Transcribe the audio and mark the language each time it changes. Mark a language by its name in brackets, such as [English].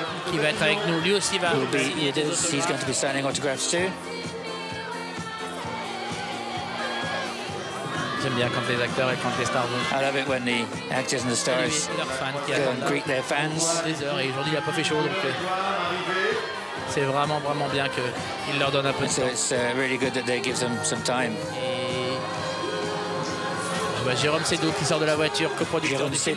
[French] Qui va être avec nous. Lui aussi va. [English] He's going to be signing autographs too. [French] J'aime bien quand les acteurs et quand les stars vont. [English] I love it when the actors and the stars go and greet their fans. [French] Des heures et aujourd'hui il n'a pas fait chaud donc. C'est vraiment, vraiment bien qu'il leur donne un peu de temps. [English] It's really good that they give them some time. [French] Et... Bah, Jérôme Seydoux qui sort de la voiture, coproducteur du film.